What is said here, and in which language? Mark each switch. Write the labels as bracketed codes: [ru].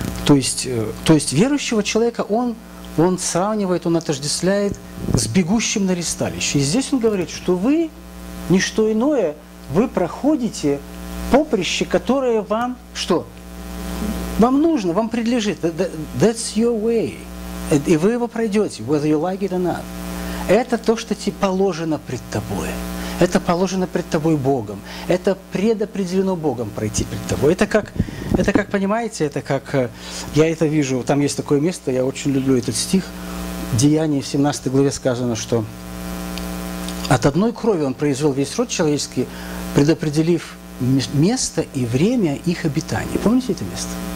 [ru] То есть верующего человека он сравнивает, он отождествляет с бегущим на ристалище. И здесь он говорит, что вы не что иное, вы проходите поприще, которое вам что? Вам нужно, вам прилежит. [en] That's your way. [ru] И вы его пройдете, [en] whether you like it or not. [ru] Это то, что тебе положено пред тобой. Это положено пред тобой Богом. Это предопределено Богом пройти пред тобой. Это как, понимаете, это как, я это вижу, там есть такое место, я очень люблю этот стих. Деяние в 17 главе сказано, что от одной крови он произвел весь род человеческий, предопределив место и время их обитания. Помните это место?